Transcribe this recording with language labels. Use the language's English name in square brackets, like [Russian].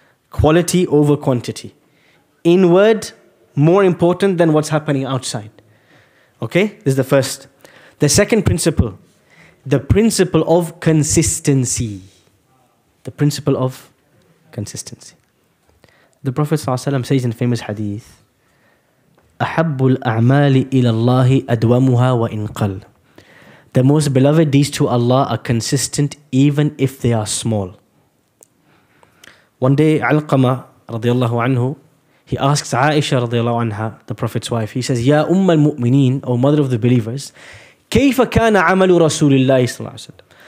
[English] Quality over quantity. Inward, more important than what's happening outside. Okay? This is the first. The second principle, the principle of consistency. The principle of consistency. The Prophet ﷺ says in famous hadith, [Arabic] أَحَبُّ الْأَعْمَالِ إِلَى اللَّهِ أَدْوَمُهَا وَإِنْ قَلْ. [English] The most beloved deeds to Allah are consistent even if they are small. One day, Alqama radiallahu anhu, he asks Aisha radiallahu anha, the Prophet's wife, he says, Ya Umm al-Mu'mineen, O Mother of the Believers, [Arabic] كَيْفَ كَانَ عَمَلُ رَسُولِ اللَّهِ صلى الله عليه وسلم.